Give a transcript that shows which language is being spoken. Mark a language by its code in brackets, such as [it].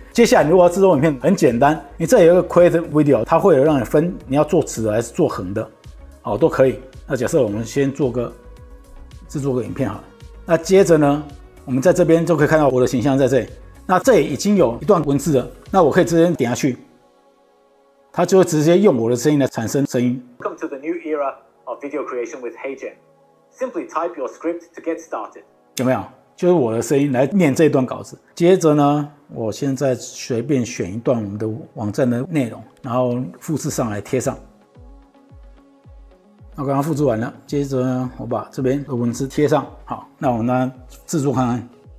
[zh] 接下来你如果要制作影片，很简单，你这里有一个 Create Video， 它会有让你分你要做直的还是做横的，好，都可以。那假设我们先制作个影片好了。那接着呢，我们在这边就可以看到我的形象在这里，那这里已经有一段文字了，那我可以直接点下去，它就会直接用我的声音来产生声音。 [en] Welcome to the new era. Video creation with HiGen. Simply type your script to get started. [zh] 有没有？就是我的声音来念这段稿子。接着呢，我现在随便选一段我们的网站的内容，然后复制上来贴上。那刚刚复制完了，接着呢，我把这边的文字贴上。好，那我们来制作看看。